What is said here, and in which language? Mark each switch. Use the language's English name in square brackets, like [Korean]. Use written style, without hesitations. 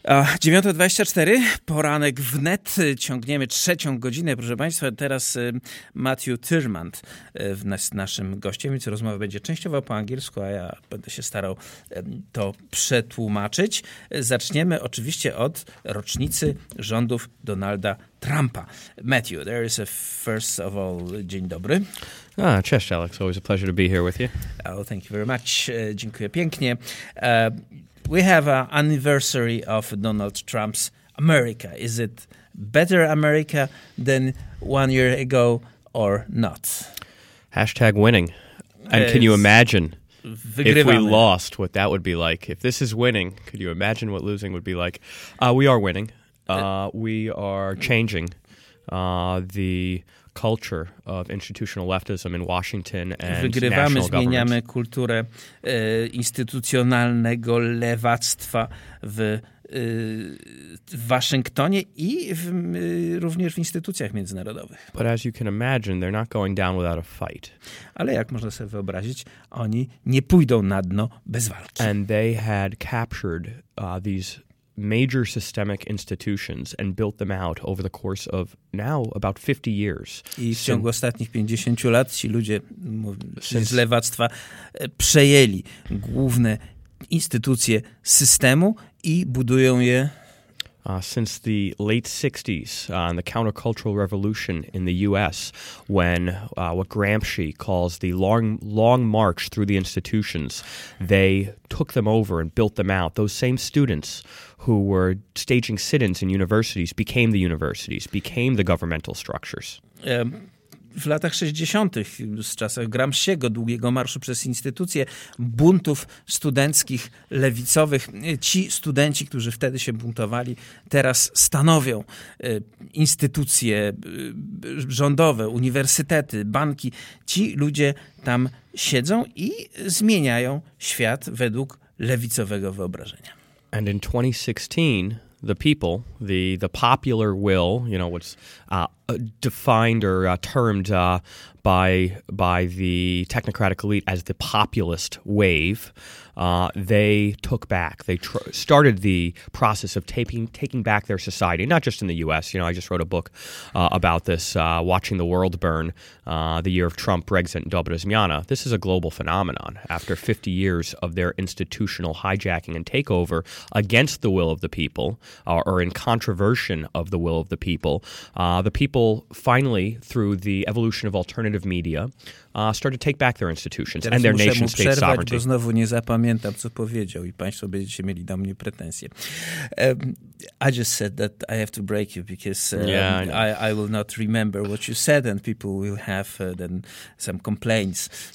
[Polish] 9.24, poranek w net, ciągniemy trzecią godzinę, proszę Państwa. Teraz Matthew Tiermant jest naszym gościem, więc rozmowa będzie częściowo po angielsku, a ja będę się starał to przetłumaczyć. Zaczniemy oczywiście od rocznicy rządów Donalda Trumpa. [English] Matthew, there is a first of all, [Polish] dzień dobry. [English] Ah, [Polish] cześć, [English] Alex, always a pleasure to be here with you. Oh, thank you very much, [Polish] dziękuję pięknie. [English] We have an anniversary of Donald Trump's America. Is it better America than 1 year ago or not? Hashtag winning. And can you imagine if we lost, what that would be like? If this is winning, could you imagine what losing would be like? We are winning. We are changing the culture of institutional leftism in Washington and [Polish] wygrywamy, [English] national government. [Polish] Zmieniamy kulturę instytucjonalnego lewactwa w Waszyngtonie i również w instytucjach międzynarodowych. [English] But as you can imagine, they're not going down without a fight. [Polish] Ale jak można sobie wyobrazić, oni nie pójdą na dno bez walki. [English] And they had captured these major systemic institutions and built them out over the course of now about 50 years. [Polish] I w ciągu ostatnich 50 lat ci ludzie z lewactwa przejęli główne instytucje systemu i budują je. [English] Since the late 60s and the countercultural revolution in the U.S., when what Gramsci calls the long march through the institutions, they took them over and built them out. Those same students who were staging sit-ins in universities, became the governmental structures. [Polish] W latach 60. z czasach Gramsciego, długiego marszu przez instytucje, buntów studenckich, lewicowych, ci studenci, którzy wtedy się buntowali, teraz stanowią instytucje rządowe, uniwersytety, banki. Ci ludzie tam siedzą i zmieniają świat według lewicowego wyobrażenia. [English] And in 2016... the people, the popular will, you know, what's defined or termed by the technocratic elite as the populist wave, they took back, they started the process of taking back their society, not just in the U.S. You know, I just wrote a book about this, Watching the World Burn, the year of Trump, Brexit, and Dobra Zmiana. This is a global phenomenon after 50 years of their institutional hijacking and takeover against the will of the people, or in controversy of the will of the people. The people finally, through the evolution of alternative media, start to take back their institutions. [Polish] Teraz [English] and their nation state [Polish] przerwać, [English] sovereignty. [Polish] Bo znowu nie zapamiętam, co powiedział i państwo będziecie mieli do mnie pretensje. [English] I just said that I have to break you because I will not remember what you said and people will have then some complaints.